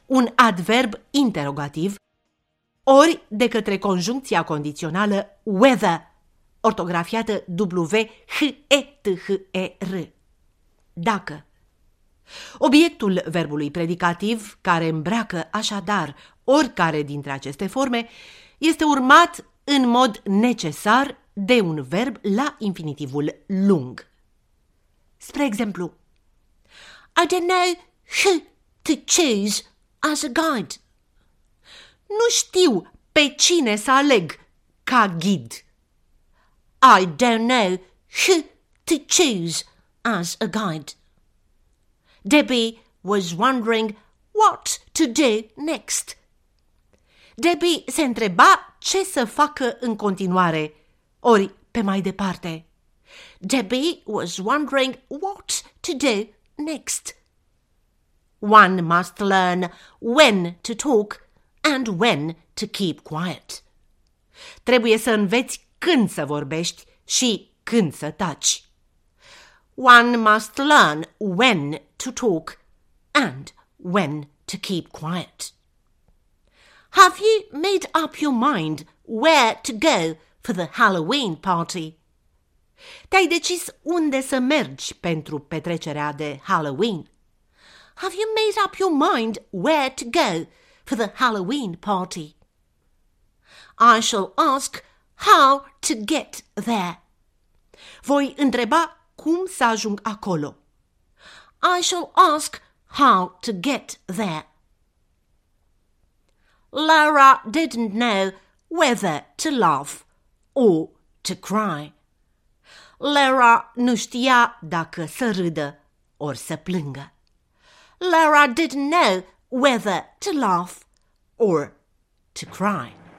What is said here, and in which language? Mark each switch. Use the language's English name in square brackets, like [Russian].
[Romanian] un adverb interrogativ, ori de către conjuncția condițională whether, ortografiată W-H-E-T-H-E-R. Dacă. Obiectul verbului predicativ, care îmbracă așadar oricare dintre aceste forme, este urmat în mod necesar de un verb la infinitivul lung. Spre exemplu, [English] I don't know who to choose as a guide. [Romanian] Nu știu pe cine să aleg ca ghid. [English] I don't know who to choose as a guide. Debbie was wondering what to do next. [Romanian] Debbie se întreba ce să facă în continuare, ori pe mai departe. [English] Debbie was wondering what to do next. One must learn when to talk and when to keep quiet. [Romanian] Trebuie să înveți când să vorbești și când să taci. [English] One must learn when to talk and when to keep quiet. Have you made up your mind where to go for the Halloween party? [Romanian] Te-ai decis unde să mergi pentru petrecerea de Halloween? [English] Have you made up your mind where to go for the Halloween party? I shall ask how to get there. [Romanian] Voi întreba cum să ajung acolo. [English] I shall ask how to get there. Laura didn't know whether to laugh or to cry. [Romanian] Laura nu știa dacă să râdă ori să plângă. [English] Laura didn't know whether to laugh or to cry.